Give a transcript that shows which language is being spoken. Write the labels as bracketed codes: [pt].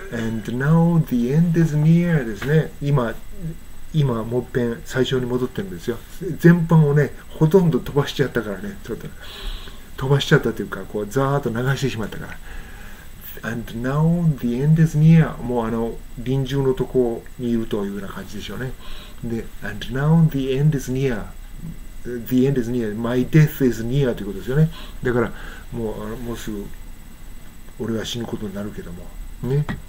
[en] And now the end is near [ja] ですね。今もっぺん最初に戻ってるんですよ。全般をね、ほとんど飛ばしちゃったからね、ちょっと飛ばしちゃったというか、こうザーッと流してしまったから。 [en] And now the end is near、 [ja] もう、あの、臨終のとこにいるというような感じでしょうね。で、 [en] And now the end is near、 The end is near、 My death is near [ja] ということですよね。だからもうすぐ俺は死ぬことになるけどもね。